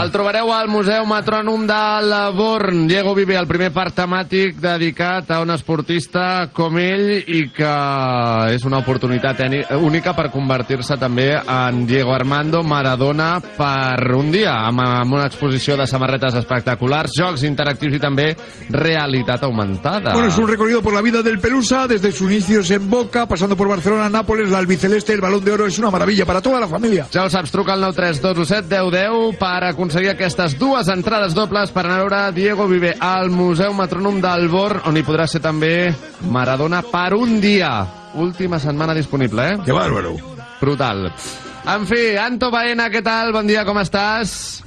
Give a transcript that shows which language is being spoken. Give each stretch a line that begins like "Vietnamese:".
Catalan: El trobareu al Museu Metrònom de la Born. Diego Vive, el primer parc temàtic dedicat a un esportista com ell i que és una oportunitat única per convertir-se també en Diego Armando Maradona per un dia, amb una exposició de samarretes espectaculars, jocs interactius i també realitat augmentada.
Spanish: Bueno, es un recorrido por la vida del Pelusa desde sus inicios en Boca, pasando por Barcelona, Nápoles, la albiceleste, el Balón de Oro. Es una maravilla para toda la familia.
Catalan: Ja ho saps, truca al 93-217-1010 per aconseguir aquestes dues entrades dobles per anar a veure Diego Vive al Museu Metrònom d'Albor, on hi podrà ser també Maradona per un dia. Última setmana disponible, eh?
Spanish: Que bárbaro.
Catalan: Brutal. En fi, Anto Baena, què tal? Bon dia, com estàs?